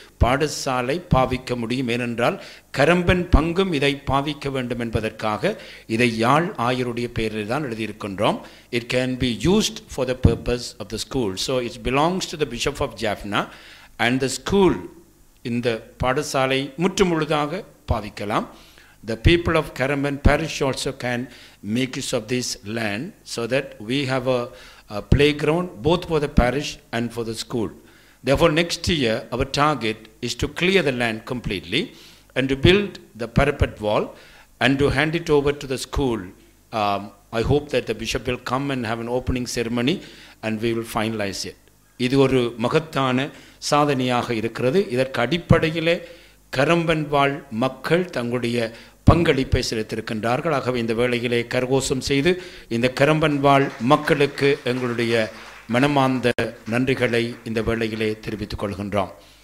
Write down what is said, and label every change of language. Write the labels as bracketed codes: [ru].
[ta] பாடசாலை பாவிக்க முடியும், ஏனென்றால் கரம்பன் பங்கும் இதை பாவிக்க வேண்டும் என்பதற்காக இதை யாழ் ஆயருடைய பெயரில் தான் எழுதியிருக்கின்றோம். [en] It can be used for the purpose of the school. So it's belongs to the bishop of Jaffna and the school. [ta] இந்த பாடசாலை முற்று முழுதாக பாவிக்கலாம். [en] The people of Karampon parish also can make use of this land so that we have a playground both for the parish and for the school. Therefore, next year our target is to clear the land completely and to build the parapet wall and to hand it over to the school. I hope that the bishop will come and have an opening ceremony and we will finalize it. [ta] இது ஒரு மகத்தான சாதனையாக இருக்கிறது. இதற்கு அடிப்படையில் கரம்பன் வாழ் மக்கள் தங்களுடைய பங்களிப்பை செலுத்திருக்கின்றார்கள். ஆகவே இந்த வேளையிலே கரகோஷம் செய்து இந்த கரம்பன் வாழ் மக்களுக்கு எங்களுடைய மனமார்ந்த நன்றிகளை இந்த வேளையிலே தெரிவித்துக் கொள்கின்றோம்.